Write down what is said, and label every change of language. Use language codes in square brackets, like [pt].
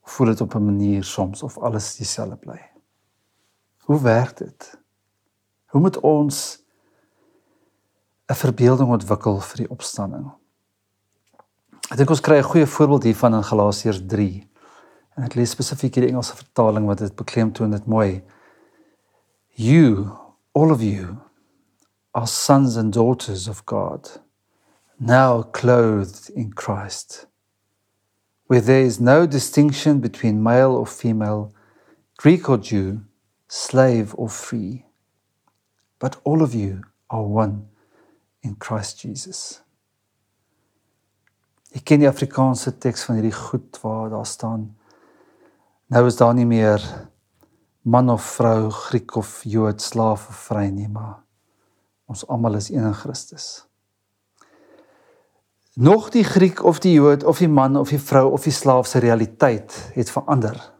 [af] voel het op een manier soms of alles dieselfde bly. Hoe werkt het? Hoe moet ons een verbeelding ontwikkel vir die opstanding? Ek denk ons kry een goeie voorbeeld hiervan in Galasiërs 3. En ek lees specifiek die Engelse vertaling, wat het beklemtoon het mooi. [en] You, all of you, are sons and daughters of God, now clothed in Christ, where there is no distinction between male or female, Greek or Jew, slave or free, but all of you are one in Christ Jesus. [af] Jy ken die Afrikaanse tekst van hierdie goed waar daar staan, nou is daar nie meer man of vrou, Griek of Jood, slaaf of vry nie, maar ons allemaal is een in Christus. Nog die Griek of die Jood of die man of die vrou of die slaafse realiteit het verander.